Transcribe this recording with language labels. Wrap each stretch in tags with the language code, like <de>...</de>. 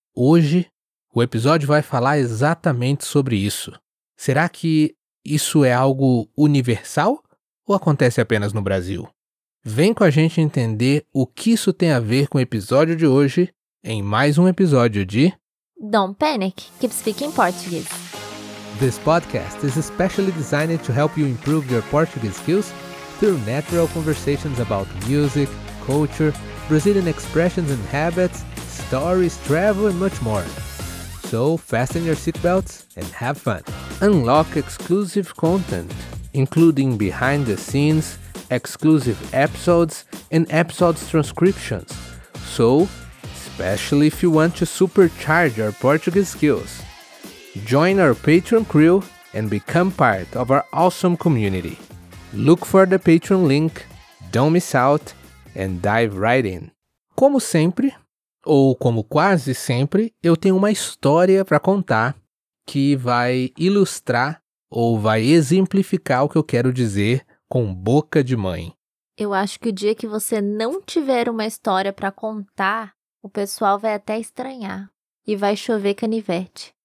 <pt>Hoje, o episódio vai falar exatamente sobre isso. Será que isso é algo universal ou acontece apenas no Brasil? Vem com a gente entender o que isso tem a ver com o episódio de hoje em mais um episódio de...</pt> <en>Don't panic, keep speaking Portuguese. This podcast is especially designed to help you improve your Portuguese skills through natural conversations about music, culture, Brazilian expressions and habits, stories, travel, and much more. So, fasten your seatbelts and have fun. Unlock exclusive content, including behind the scenes, exclusive episodes, and episodes transcriptions. So, especially if you want to supercharge your Portuguese skills, join our Patreon crew and become part of our awesome community. Look for the Patreon link, don't miss out, and dive right in.</en> <pt>Como sempre, ou como quase sempre, eu tenho uma história para contar que vai ilustrar ou vai exemplificar o que eu quero dizer com boca de mãe. Eu acho que o dia que você não tiver uma história para contar, o pessoal vai até estranhar e vai chover canivete.</pt>